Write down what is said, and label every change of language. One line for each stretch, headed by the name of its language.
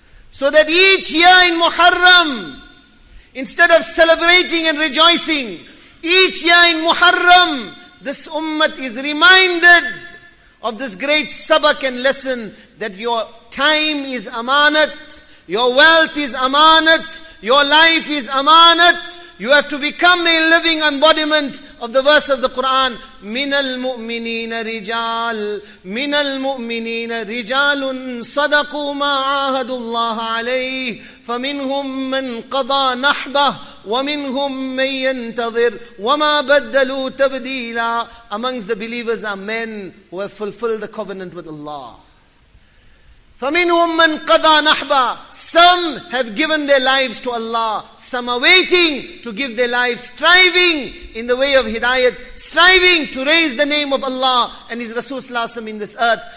English: So that each year in Muharram, instead of celebrating and rejoicing, each year in Muharram, this ummah is reminded of this great sabak and lesson that your time is amanat, your wealth is amanat, your life is amanat. You have to become a living embodiment of the verse of the Quran,
Arabic: مِنَ الْمُؤْمِنِينَ رِجَالٌ مِنَ الْمُؤْمِنِينَ رِجَالٌ صَدَقُوا مَا عَاهَدُوا اللَّهَ عَلَيْهِ فَمِنْهُمْ مَنْ قَضَى نَحْبَهُ وَمِنْهُمْ مَنْ يَنْتَظِرُ وَمَا بَدَّلُوا تَبْدِيلًا.
English: Amongst the believers are men who have fulfilled the covenant with Allah.
Arabic: فَمِنْهُمْ مَنْ قَضَى نَحْبَهُ.
English: Some have given their lives to Allah. Some are waiting to give their lives, striving in the way of hidayat, striving to raise the name of Allah and His Rasul sallallahu alaihi wasallam in this earth.